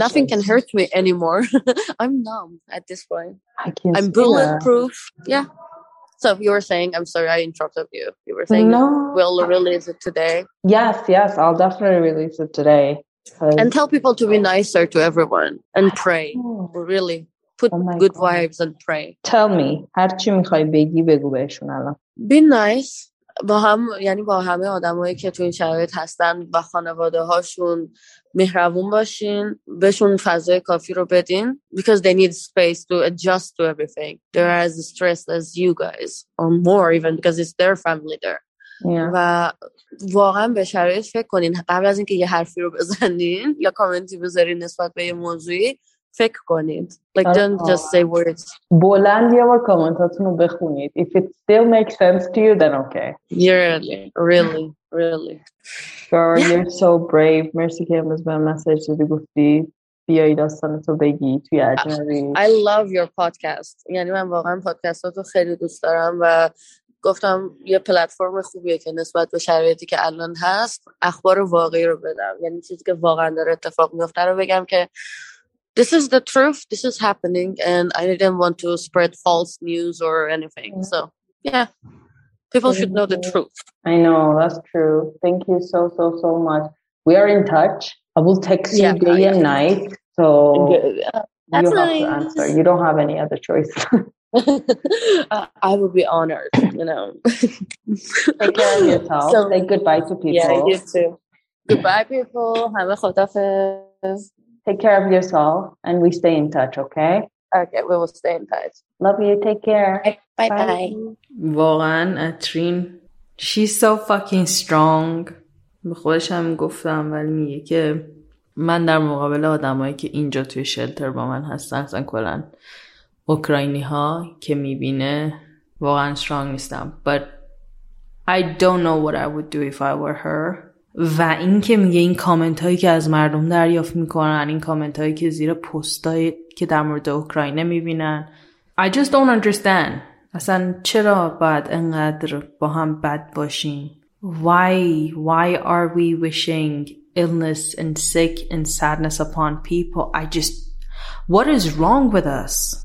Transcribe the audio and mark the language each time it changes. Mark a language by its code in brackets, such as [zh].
[en] Nothing can hurt me anymore. I'm numb at this point. I can't. I'm bulletproof. Yeah. So you were saying, I'm sorry, I interrupted you. You were saying, no. We'll release it today. Yes, I'll definitely release it today. And tell people to be nicer to everyone and pray. Really, put good vibes and pray. Tell me, [fa] هر چی میخوای بگی بگو بهشون الان. [en] Be nice. [fa] با هم یعنی با همه آدمایی که تو این شرایط هستن و خانواده هاشون مهربون باشین بهشون فضای کافی رو بدین [en] because they need space to adjust to everything they're as stressed as you guys or more even because it's their family there [fa] و واقعا به شرایط فکر کنین قبل از اینکه یه حرفی رو بزنین یا کامنتی بذارین نسبت به یه موضوعی فکر کنید [en] like don't just say words [fa] بلند یا بار کامنتاتون رو بخونید [en] if it still makes sense to you then okay you're really girl you're so brave [fa] مرسی که امروز به مسیج رو گفتی بیایی داستانتو بگی توی اجنبی [en] I love your podcast [fa] یعنی من واقعا پادکستاتو خیلی دوست دارم و گفتم یه پلتفرم خوبیه که نسبت به شرایطی که الان هست اخبار واقعی رو بدم یعنی چیزی که واقعا داره اتفاق میفته رو بگم که [en] This is the truth. This is happening. And I didn't want to spread false news or anything. So, yeah. People should know the truth. I know. That's true. Thank you so, so, so much. We are in touch. I will text you day and night. So, that's you have nice. To answer. You don't have any other choice. I would be honored, you know. Take care of yourself. So, say goodbye to people. Yeah, you too. Goodbye, people. Have a khudafiz. Take care of yourself and we stay in touch, okay? Okay, we will stay in touch. Love you. Take care. Bye. [fa] واقعاً اترین. [en] She's so fucking strong. [fa] به خودش هم گفتم ولی میگه که من در مقابل آدمایی که اینجا توی شلتر با من هستن اصلا کلن اوکراینی ها که میبینه واقعاً strong نیستم. [en] But I don't know what I would do if I were her. [fa] و این که میگه این کامنت هایی که از مردم دریافت میکنن این کامنت هایی که زیر پست هایی که در مورد اوکراینه میبینن [en] I just don't understand [fa] اصلا چرا باید انقدر با هم بد باشیم [en] Why are we wishing illness and sick and sadness upon people I just What is wrong with us?